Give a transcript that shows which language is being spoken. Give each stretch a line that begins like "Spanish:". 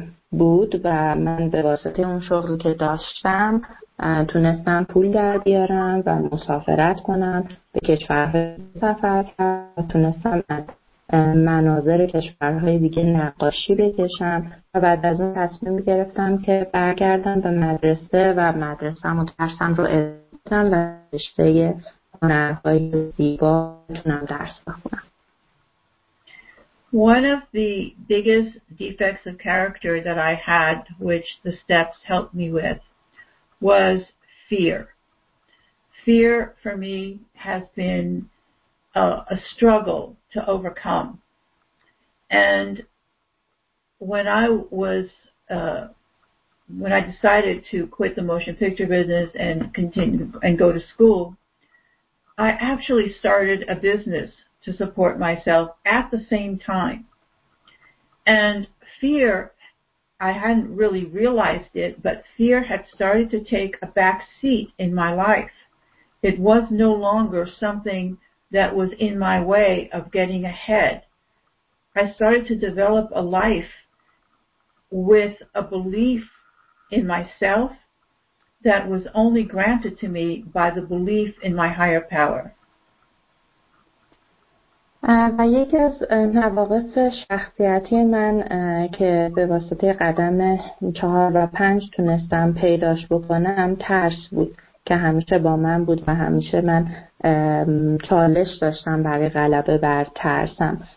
Persian: بود و من به واسطه اون شغلی که داشتم تونستم پول در بیارم و مسافرت کنم، به کشورهای سفر کردم، تونستم از مناظر کشورهای دیگه نقاشی بکشم و بعد از اون تصمیم گرفتم که برگردم به مدرسه و مدرسه هم ترسم رو ادامه و رشته هنرهای زیبا تونم درس بخونم.
English: One of the biggest defects of character that I had, which the steps helped me with, was fear. Fear for me has been a struggle to overcome. And when I was, when I decided to quit the motion picture business and continue and go to school, I actually started a business to support myself at the same time. And fear, I hadn't really realized it, but fear had started to take a back seat in my life. It was no longer something that was in my way of getting ahead. I started to develop a life with a belief in myself that was only granted to me by the belief in my higher power.
Persian: و یکی از نواقص شخصیتی من که به واسطه قدم 4 و 5 تونستم پیداش بکنم ترس بود که همیشه با من بود و همیشه من چالش داشتم برای غلبه بر ترسم.